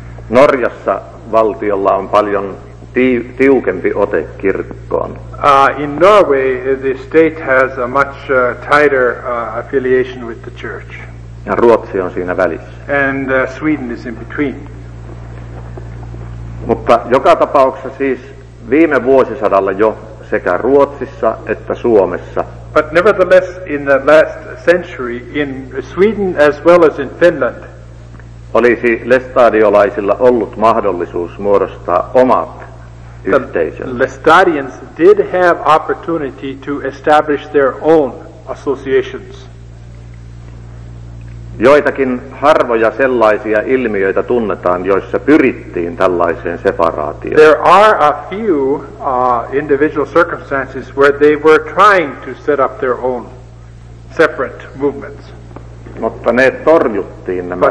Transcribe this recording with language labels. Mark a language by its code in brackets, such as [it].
[fi] Norjassa valtiolla on paljon tiukempi ote kirkkoon. [en] In Norway, the state has a much tighter affiliation with the church. [fi] Ja Ruotsi on siinä välissä. [en] And Sweden is in between. [fi] Mutta joka tapauksessa siis viime vuosisadalla jo sekä Ruotsissa että Suomessa. [en] But nevertheless, in the last century, in Sweden as well as in Finland, [fi] olisi lestadiolaisilla ollut mahdollisuus muodostaa omat yhteisönsä. [en] The Lestadians did have opportunity to establish their own associations. [fi] Joitakin harvoja sellaisia ilmiöitä tunnetaan, joissa pyrittiin tällaiseen separaatioon. [en] There are a few individual circumstances where they were trying to set up their own separate movements. [fi] Mutta ne torjuttiin nämä.